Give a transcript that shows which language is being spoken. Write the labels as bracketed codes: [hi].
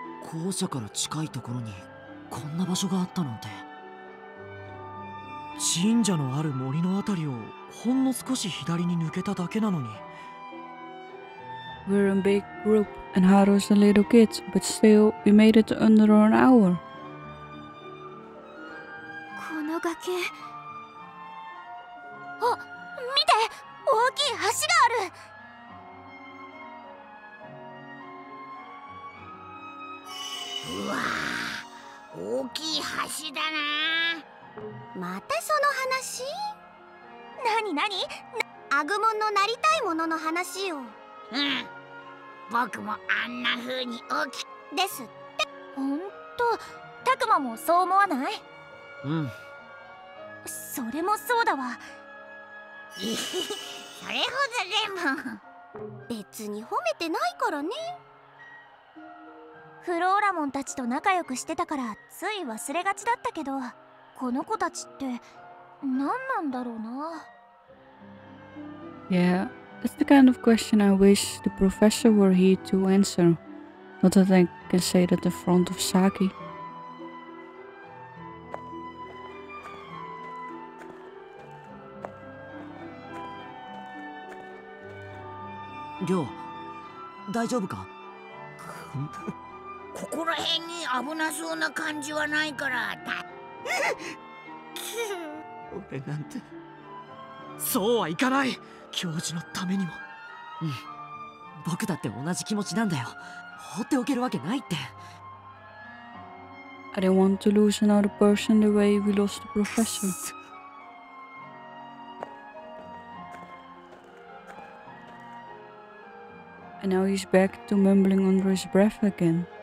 [ja] Kousha から近いところにこんな場所があったなんて。神社のある森のあたりをほんの少し左に抜けただけなのに。 [en] We're a big group and Haru's a little kid, but still, we made it under an hour. [ja] 崖。あ、見て、大きい橋がある。うわ、大きい橋だな。またその話？なになに？アグモンのなりたいものの話よ。うん、僕もあんな風に大きいですって。ほんと、タクマもそう思わない？うん、それもそうだわ。それほどでも。別に褒めてないからね。フローラモンたちと仲良くしてたからつい忘れがちだったけど、この子たちって何なんだろうな。 [en] Yeah, that's the kind of question I wish the professor were here to answer. Not that I can say that in front of Saki. [ja] リョウ、大丈夫か？ここら辺に危なそうな感じはないから。俺なんて。そうはいかない。教授のためにも。うん、僕だって同じ気持ちなんだよ。放っておけるわけないって。 [en] I don't want to lose another person the way we lost the professor. And now he's back to mumbling under his breath again.